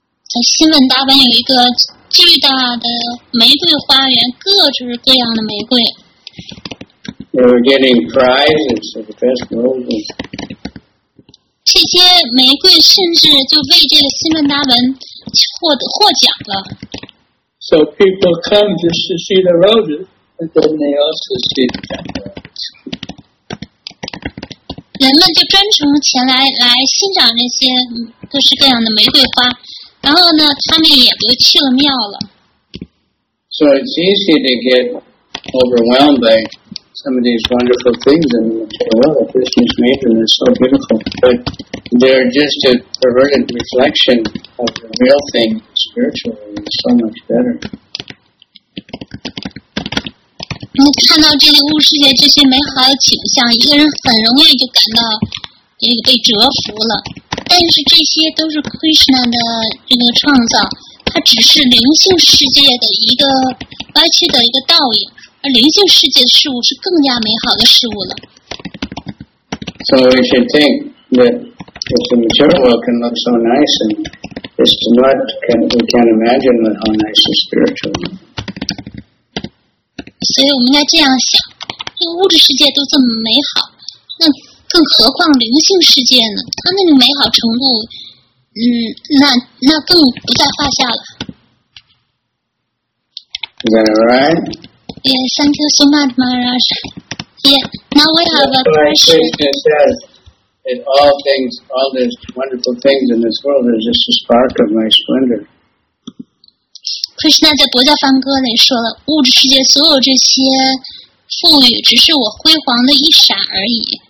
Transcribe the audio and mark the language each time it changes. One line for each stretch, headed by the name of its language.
Chinese: 在新闻大本有一个巨大的玫瑰花园，各式各样的玫瑰。
English: They were getting prizes for the best roses.
Chinese: 这些玫瑰甚至就为这个新闻大本获奖了。
English: So people come just to see the roses, but then they also see the temple.
Chinese: 人们就专程前来欣赏那些各式各样的玫瑰花，然后呢，他们也就去了庙了。
English: So it's easy to get overwhelmed by some of these wonderful things in the world. Krishna's nature is so beautiful, but they're just a perverted reflection of the real thing spiritually, and so much better.
Chinese: 我们看到这个物世界这些美好的景象，一个人很容易就感到这个被折服了。但是这些都是 Krishna 的这个创造，它只是灵性世界的一个歪曲的一个倒影，而灵性世界的事物是更加美好的事物了。
English: So we should think that if the material world can look so nice, and it's not, we can't imagine how nice the spiritual world.
Chinese: 所以我们应该这样想，这个物质世界都这么美好，那更何况灵性世界呢？它那个美好程度，那更不在话下了。
English: Is that right? Yeah, thank you so much, Maharaj. Yeah, now we have a question. Krishna says, in all things, all these wonderful things in this world, there's just a spark of my splendor.
Chinese: Krishna 在《国家梵歌》里说了，物质世界所有这些富裕只是我辉煌的一闪而已。